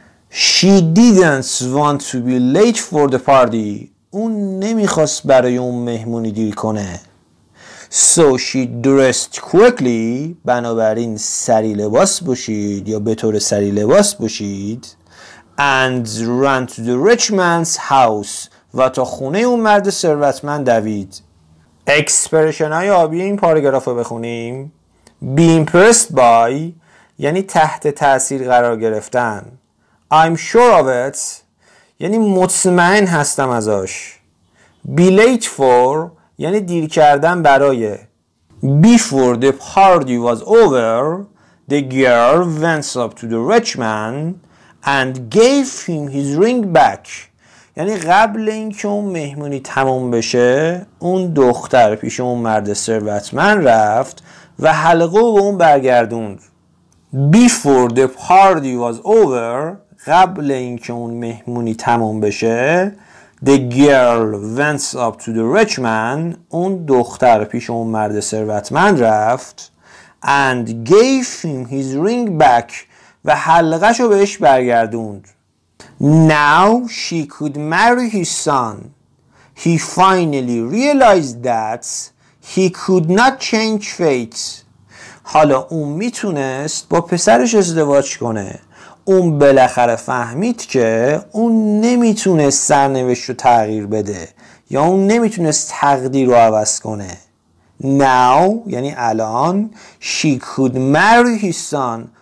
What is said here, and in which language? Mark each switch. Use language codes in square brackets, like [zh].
[en] She didn't want to be late for the party. [fa] اون نمیخواست برای اون مهمونی دیر کنه. [en] So she dressed quickly. [fa] بنابراین سری لباس بشید یا به طور سری لباس بشید. [en] And ran to the rich man's house. [fa] و تا خونه اون مرد ثروتمند دوید. اکسپرشن های آبی این پاراگراف رو بخونیم. [en] Be impressed by [fa] یعنی تحت تأثیر قرار گرفتن. [en] I'm sure of it [fa] یعنی مطمئن هستم ازش. [en] Be late for [fa] یعنی دیر کردن برای. [en] Before the party was over, the girl went up to the rich man and gave him his ring back. [fa] یعنی قبل اینکه اون مهمونی تمام بشه، اون دختر پیش اون مرد ثروتمند رفت و حلقه رو اون برگردوند. [en] Before the party was over، [fa] قبل اینکه اون مهمونی تمام بشه، [en] the girl went up to the rich man، [fa] اون دختر پیش اون مرد ثروتمند رفت [en] and gave him his ring back، [fa] و حلقه‌شو بهش برگردوند. [en] Now she could marry his son. He finally realized that he could not change fate. [fa] حالا اون میتونست با پسرش ازدواج کنه. اون بالاخره فهمید که اون نمیتونست سرنوشت رو تغییر بده یا اون نمیتونست تقدیر رو عوض کنه. [en] Now [fa] یعنی الان [en] she could marry his son.